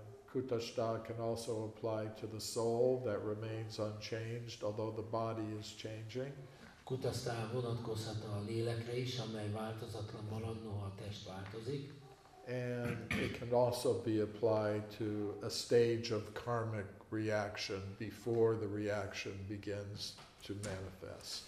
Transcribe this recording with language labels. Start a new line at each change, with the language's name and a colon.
English: Kutasta can also apply to the soul that remains unchanged, although the body is changing.
Hungarian: Kutasta vonatkozhat a lélekre is, amely változatlan marad, noha a test változik.
English: And it can also be applied to a stage of karmic reaction before the reaction begins to manifest.